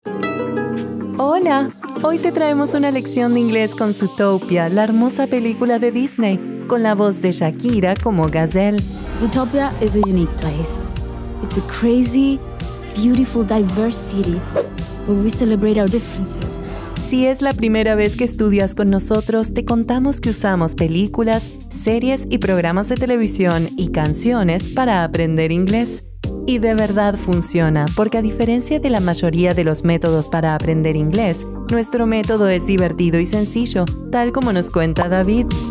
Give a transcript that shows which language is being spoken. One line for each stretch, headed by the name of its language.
Spanish: Hola, hoy te traemos una lección de inglés con Zootopia, la hermosa película de Disney, con la voz de Shakira como Gazelle.
English: Zootopia is a unique place. It's a crazy, beautiful, diverse city where we celebrate our differences.
Spanish: Si es la primera vez que estudias con nosotros, te contamos que usamos películas, series y programas de televisión y canciones para aprender inglés. Y de verdad funciona, porque a diferencia de la mayoría de los métodos para aprender inglés, nuestro método es divertido y sencillo, tal como nos cuenta David.